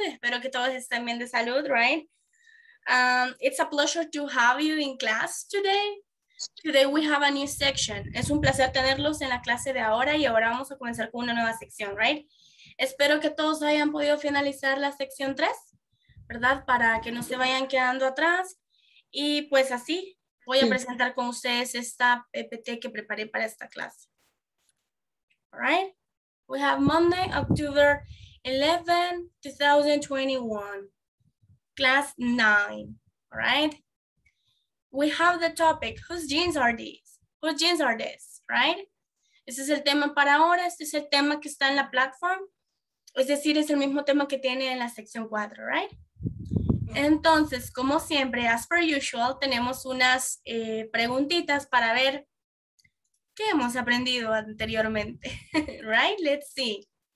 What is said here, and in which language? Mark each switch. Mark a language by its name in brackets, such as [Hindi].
[Spanish] Espero que todos estén bien de salud, right? [English] It's a pleasure to have you in class today. Today we have a new section. [Spanish] Es un placer tenerlos en la clase de ahora y ahora vamos a comenzar con una nueva sección, right? Espero que todos hayan podido finalizar la sección 3, ¿verdad? Para que no se vayan quedando atrás. Y pues así voy a presentar con ustedes esta PPT que preparé para esta clase. [English] All right? We have Monday, October 11, 2021. Class 9, all right? We have the topic, whose jeans are these? Whose jeans are these, right? [Spanish] Este es el tema para ahora, este es el tema que está en la platform. Es decir, es el mismo tema que tiene en la sección 4, right? Entonces, como siempre, [English] as per usual, [Spanish] tenemos unas preguntitas para ver qué hemos aprendido anteriormente, right? [English] Let's see.